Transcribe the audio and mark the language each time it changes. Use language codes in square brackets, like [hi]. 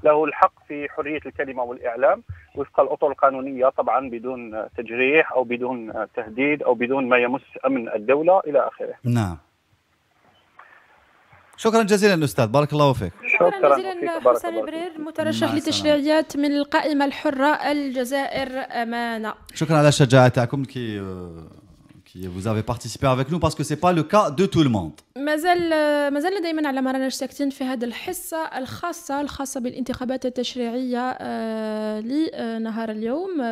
[ar] له الحق في حرية الكلمة والإعلام وفق الأطر القانونية طبعا بدون تجريح أو بدون تهديد أو بدون ما يمس أمن الدولة إلى آخره. نعم. شكرا جزيلا أستاذ، بارك الله فيك. شكرا جزيلا حسام برير مترشح لتشريعيات من القائمة الحرة الجزائر أمانة. شكرا على شجاعتكم كي [fr] vous avez participé avec nous parce que c'est pas le cas de tout le monde. [ar] مازال دائما على ما رانا ساكتين في هذه الحصة الخاصة بالانتخابات التشريعية لنهار اليوم.